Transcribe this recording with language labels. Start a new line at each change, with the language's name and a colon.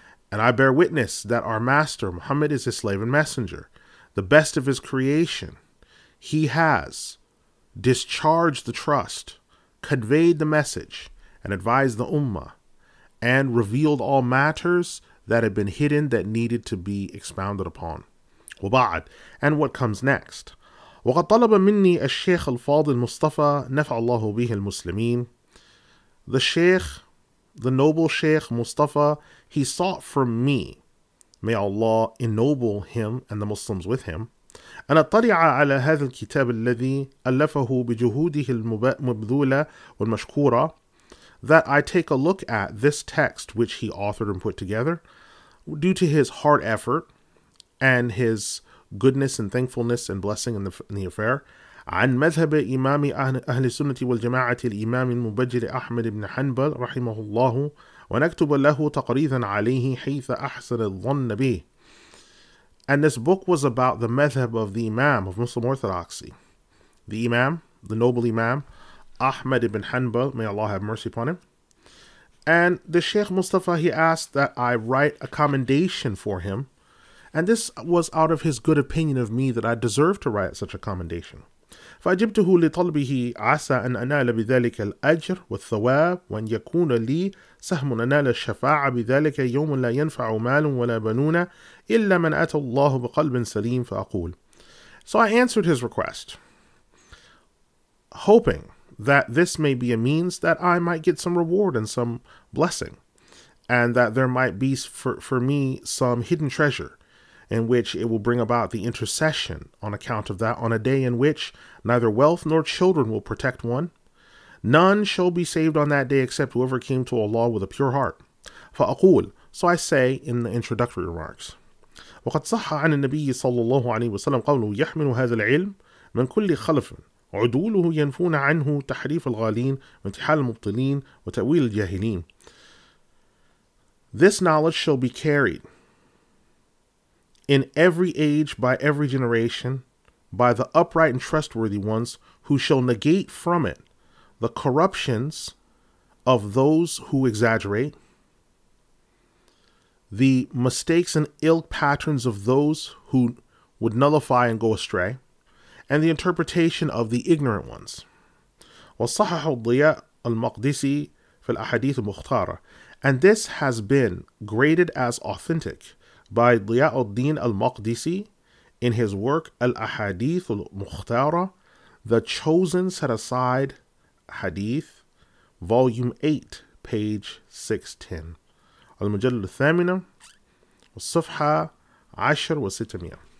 English: And I bear witness that our master, Muhammad, is his slave and messenger, the best of his creation. He has discharged the trust, conveyed the message, and advised the ummah, and revealed all matters that had been hidden that needed to be expounded upon.
Arabic: وبعد,
English: and what comes next?
Arabic: وقد طلب مني الشيخ الفاضل مصطفى نفع الله به المسلمين.
English: The Sheikh, the noble Sheikh Mustafa, he sought from me, may Allah ennoble him and the Muslims with him,
Arabic: أن أطلع على هذا الكتاب الذي ألفه بجهوده المبذولة والمشكورة,
English: that I take a look at this text which he authored and put together due to his hard effort and his goodness and thankfulness and blessing in the affair.
Arabic: عن مذهب إمام أهل السنة والجماعة الإمام المبجل أحمد بن حنبل رحمه الله ونكتب له تقريضا عليه حيث أحسن الظن به.
English: And this book was about the madhab of the Imam of Muslim Orthodoxy. The Imam, the noble Imam, Ahmad ibn Hanbal, may Allah have mercy upon him. And the Sheikh Mustafa, he asked that I write a commendation for him. And this was out of his good opinion of me that I deserve to write such a commendation.
Arabic: فَأَجِبْتُهُ لِطَلْبِهِ عَسَىٰ أَنْ أَنَالَ بِذَلِكَ الْأَجْرِ وَالثَّوَابِ وَأَنْ يَكُونَ لِي سَهْمٌ أَنَالَ الشَّفَاعَ بِذَلِكَ يَوْمٌ لَا يَنْفَعُ مَالٌ وَلَا بَنُونَ إِلَّا مَنْ أَتَى اللَّهُ بِقَلْبٍ سَلِيمٍ فَأَقُولُ.
English: So I answered his request. hoping that this may be a means that I might get some reward and some blessing, and that there might be for me some hidden treasure in which it will bring about the intercession on account of that, on a day in which neither wealth nor children will protect one. None shall be saved on that day except whoever came to Allah with a pure heart.
Arabic: فأقول,
English: so I say in the introductory remarks.
Arabic: وقد صح عن النبي صلى الله عليه وسلم قوله يحمل هذا العلم من كل خلف عدوله ينفون عنه تحريف الغالين وانتحال المبطلين وتأويل الجاهلين.
English: This knowledge shall be carried in every age by every generation by the upright and trustworthy ones who shall negate from it the corruptions of those who exaggerate, the mistakes and ill patterns of those who would nullify and go astray, and the interpretation of the ignorant ones.
Arabic: وصحح الضياء المقدسي في الأحاديث المختارة.
English: And this has been graded as authentic by ضياء الدين المقدسي in his work الأحاديث المختارة, The Chosen Set Aside Hadith, Volume 8, page 610.
Arabic: المجلد الثامنة والصفحة عشر وستمية.